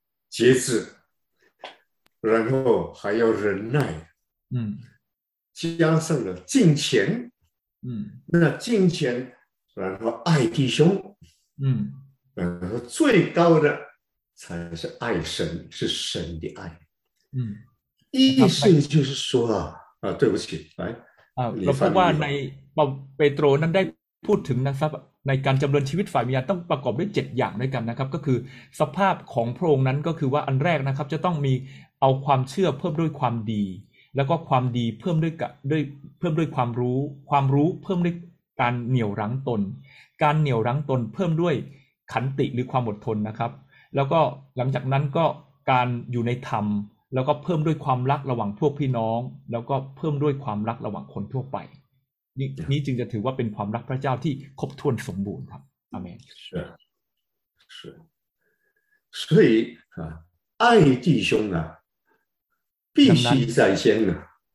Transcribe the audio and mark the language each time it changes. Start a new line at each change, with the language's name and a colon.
Chinese: 节制，然后还要忍耐，加上了敬虔，那敬虔，然后爱弟兄，然后最高的才是爱神，是神的爱，意思就是说啊，对不起，来。
Thai: เราพบว่าในเปโตรนั้นได้พูดถึงนะครับในการจำเริญชีวิตฝ่ายวิญญาณต้องประกอบด้วย7อย่างด้วยกันนะครับก็คือสภาพของพระองค์นั้นก็คือว่าอันแรกนะครับจะต้องมีเอาความเชื่อเพิ่มด้วยความดีแล้วก็ความดีเพิ่มด้วย เพิ่มด้วยความรู้ความรู้เพิ่มด้วยการเหนี่ยวรั้งตนการเหนี่ยวรั้งตนเพิ่มด้วยขันติหรือความอดทนนะครับแล้วก็หลังจากนั้นก็การอยู่ในธรรมแล้วก็เพิ่มด้วยความรักระหว่างพวกพี่น้องแล้วก็เพิ่มด้วยความรักระหว่างคนทั่วไป นี่จึงจะถือว่าเป็นความรักพระเจ้าที่ครบถ้วนสมบูรณ์ครับอาเมน
Chinese: 所以爱弟兄啊必须在先啊